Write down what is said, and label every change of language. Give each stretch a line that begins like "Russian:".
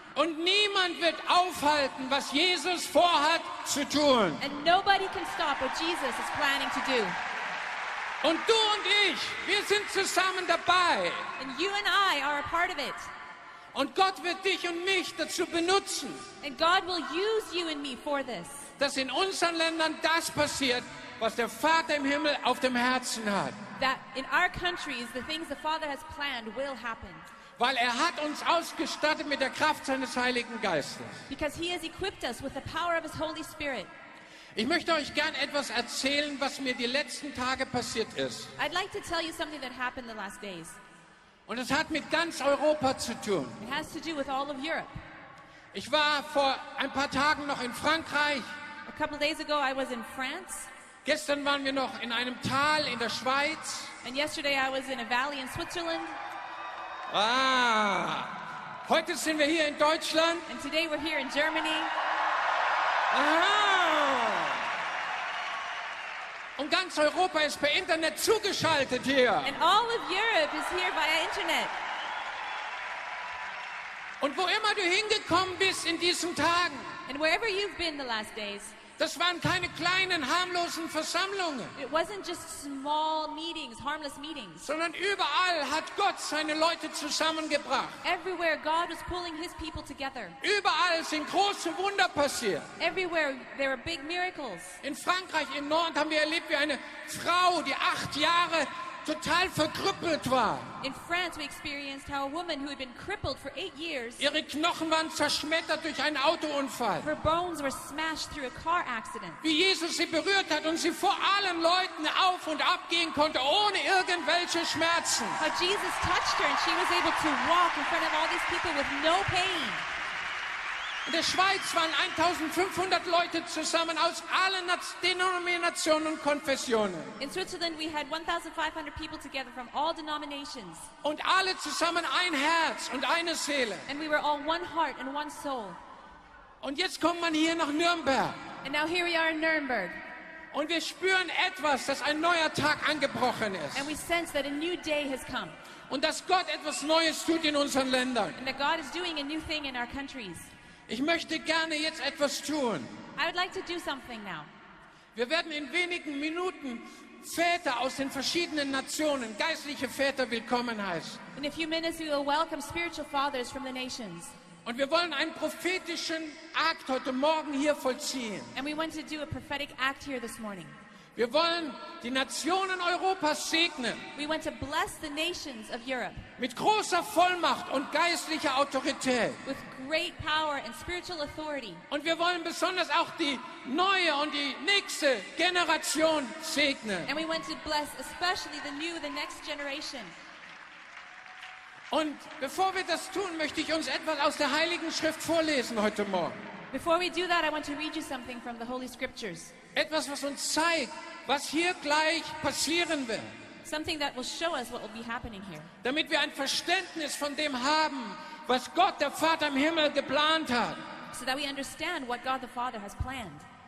German: Und niemand wird aufhalten, was Jesus vorhat zu tun.
English: And nobody can stop what Jesus is planning to do.
German: Und du und ich, wir sind zusammen dabei.
English: And you and I are a part of it.
German: Und Gott wird dich und mich dazu benutzen.
English: And God will use you and me for this.
German: Dass in unseren Ländern das passiert, was der Vater im Himmel auf dem Herzen hat.
English: That in our countries, the things the Father has planned will happen.
German: Weil er hat uns ausgestattet mit der Kraft seines Heiligen Geistes.
English: Because he has equipped us with the power of his Holy Spirit.
German: Ich möchte euch gern etwas erzählen, was mir die letzten Tage passiert ist.
English: I'd like to tell you something that happened the last days.
German: Und es hat mit ganz Europa zu tun.
English: It has to do with all of Europe.
German: Ich war vor ein paar Tagen noch in Frankreich.
English: A couple days ago I was in France.
German: Gestern waren wir noch in einem Tal in der Schweiz.
English: And yesterday I was in a valley in Switzerland.
German: Ah! Heute sind wir hier in Deutschland.
English: And today we're here in Germany. Ah!
German: Und ganz Europa ist per Internet zugeschaltet hier.
English: And all of Europe is here via Internet.
German: Und wo immer du hingekommen bist in diesen Tagen.
English: And wherever you've been the last days.
German: Das waren keine kleinen, harmlosen Versammlungen.
English: It wasn't just small meetings, harmless meetings.
German: Sondern überall hat Gott seine Leute zusammengebracht.
English: Everywhere God was pulling his people together.
German: Überall sind große Wunder passiert.
English: Everywhere there were big miracles.
German: In Frankreich, im Norden, haben wir erlebt, wie eine Frau, die 8 Jahre total verkrüppelt war.
English: In France we experienced how a woman who had been crippled for 8 years.
German: Ihre Knochen waren zerschmettert durch einen Autounfall.
English: Her bones were smashed through a car accident.
German: Wie Jesus sie berührt hat und sie vor allen Leuten auf und ab gehen konnte ohne irgendwelche Schmerzen.
English: How Jesus touched her and she was able to walk in front of all these people with no pain.
German: In der Schweiz waren 1500 Leute zusammen aus allen Denominationen und Konfessionen.
English: In Switzerland we had 1500 people together from all denominations.
German: Und alle zusammen ein Herz und eine Seele.
English: And we were all one heart and one soul.
German: Und jetzt kommt man hier nach Nürnberg.
English: And now here we are in Nürnberg.
German: Und wir spüren etwas, dass ein neuer Tag angebrochen ist.
English: And we sense that a new day has come.
German: Und dass Gott etwas Neues tut in unseren Ländern.
English: And that God is doing a new thing in our countries.
German: Ich möchte gerne jetzt etwas tun.
English: I would like to do something now.
German: Wir werden in wenigen Minuten Väter aus den verschiedenen Nationen, geistliche Väter, willkommen heißen.
English: In a few minutes we will welcome spiritual fathers from the nations.
German: Und wir wollen einen prophetischen Akt heute Morgen hier vollziehen.
English: And we want to do a prophetic act here this morning.
German: Wir wollen die Nationen Europas segnen.
English: We want to bless the nations of Europe.
German: Mit großer Vollmacht und geistlicher Autorität.
English: With great power and spiritual authority.
German: Und wir wollen besonders auch die neue und die nächste Generation segnen.
English: And we want to bless especially the new, the next generation.
German: Und bevor wir das tun, möchte ich uns etwas aus der Heiligen Schrift vorlesen heute Morgen.
English: Before we do that, I want to read you something from the Holy Scriptures.
German: Etwas, was uns zeigt, was hier gleich passieren wird.
English: Something that will show us what will be happening here.
German: Damit wir ein Verständnis von dem haben, was Gott der Vater im Himmel geplant hat.
English: So that we understand what God the Father has planned.